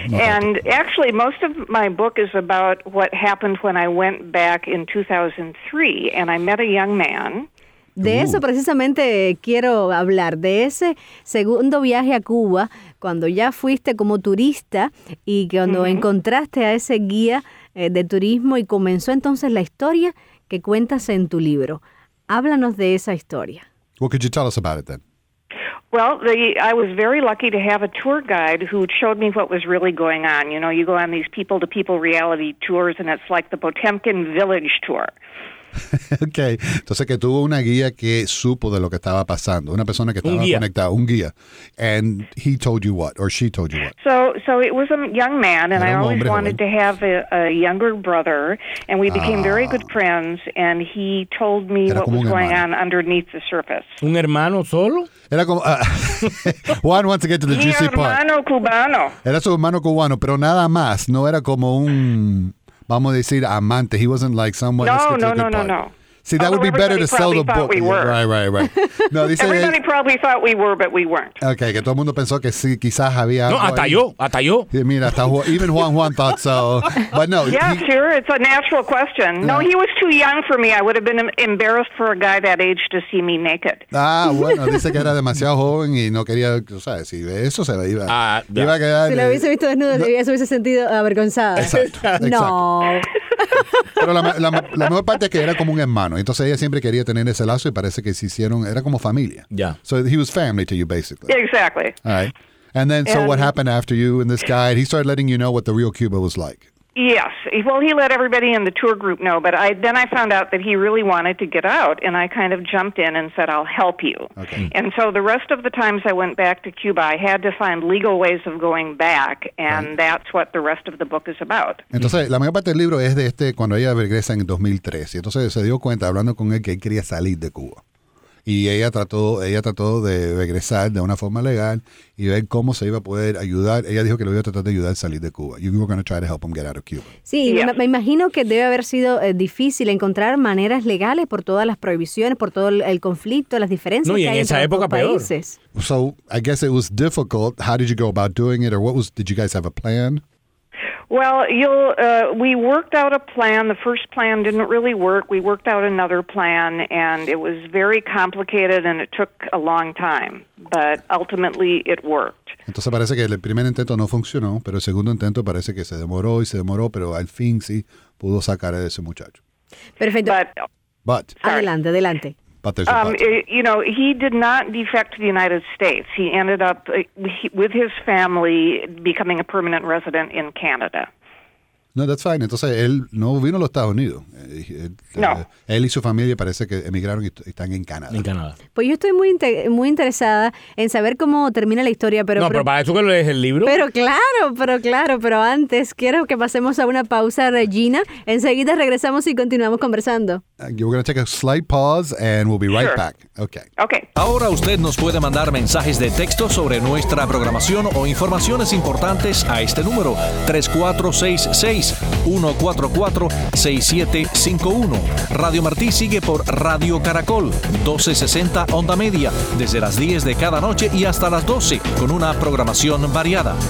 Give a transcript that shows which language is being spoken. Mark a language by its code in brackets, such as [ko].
[en] And actually, most of my book is about what happened when I went back in 2003 and I met a young man. [es] De eso precisamente quiero hablar, de ese segundo viaje a Cuba, cuando ya fuiste como turista y cuando encontraste a ese guía de turismo y comenzó entonces la historia que cuentas en tu libro. Háblanos de esa historia. [en] What could you tell us about it then? Well, I was very lucky to have a tour guide who showed me what was really going on. You know, you go on these people-to-people reality tours and it's like the Potemkin Village tour. [es] Okay, entonces que tuvo una guía que supo de lo que estaba pasando, una persona que estaba conectada, un guía. [en] And he told you what, or she told you what? So it was a young man, and I always wanted to have a younger brother, and we became very good friends, and he told me what was going on underneath the surface. [es] ¿Un hermano solo? Era como, [en] Juan wants to get to the juicy part. [es] Mi hermano cubano. Era su hermano cubano, pero nada más, no era como un... Vamos a decir amante. [en] He wasn't like someone. No. See, that would be better to sell the book. We were. Right. No, [es] dice [en] everybody probably thought we were, but we weren't. [es] Okay, que todo el mundo pensó que sí, quizás había. No, hasta yo. Mira, [en] even Juan thought so. But no. Yeah, sure. It's a natural question. Yeah. No, he was too young for me. I would have been embarrassed for a guy that age to see me naked. [es] Ah, bueno, dice que era demasiado joven y no quería, o sea, si eso se le iba. Iba a quedar. Si lo hubiese visto desnudo, no, se hubiese sentido avergonzada. Exacto. No. Pero la mejor parte es que era como un hermano, entonces ella siempre quería tener ese lazo y parece que se hicieron, era como familia. [en] Yeah. So he was family to you, basically. Exactly. All right. And then, so what happened after you and this guy, he started letting you know what the real Cuba was like. Yes. Well, he let everybody in the tour group know, but I found out that he really wanted to get out, and I kind of jumped in and said, I'll help you. Okay. And so the rest of the times I went back to Cuba, I had to find legal ways of going back, and right. That's what the rest of the book is about. [es] Entonces, la mayor parte del libro es de este, cuando ella regresa en 2013. Entonces, se dio cuenta, hablando con él, que él quería salir de Cuba. Y ella trató de regresar de una forma legal y ver cómo se iba a poder ayudar. Ella dijo que lo iba a tratar de ayudar a salir de Cuba. [en] You were going to try to help him get out of Cuba. [es] Sí, yeah. Me imagino que debe haber sido difícil encontrar maneras legales por todas las prohibiciones, por todo el conflicto, las diferencias que hay en esa entre época peor. Países. [en] So, I guess it was difficult. How did you go about doing it? Or what was, did you guys have a plan? Well, we worked out a plan. The first plan didn't really work. We worked out another plan, and it was very complicated, and it took a long time. But ultimately, it worked. [es] Entonces parece que el primer intento no funcionó, pero el segundo intento parece que se demoró, pero al fin sí pudo sacar a ese muchacho. Perfecto. [en] But [es] adelante. [en] But there's a but. You know, he did not defect to the United States. He ended up with his family becoming a permanent resident in Canada. No, that's fine. [es] Entonces, él no vino a los Estados Unidos. No. Él y su familia parece que emigraron y están en Canadá. En Canadá. Pues yo estoy muy interesada en saber cómo termina la historia. Pero, no, pero para eso que lees el libro. Pero claro. Pero antes quiero que pasemos a una pausa, Regina. Enseguida regresamos y continuamos conversando. [en] We're going to take a slight pause and we'll be right back. Okay. Okay. [es] Ahora usted nos puede mandar mensajes de texto sobre nuestra programación o informaciones importantes a este número, 3466-144-6751. Radio Martí sigue por Radio Caracol, 1260 Onda Media, desde las 10 de cada noche y hasta las 12, con una programación variada.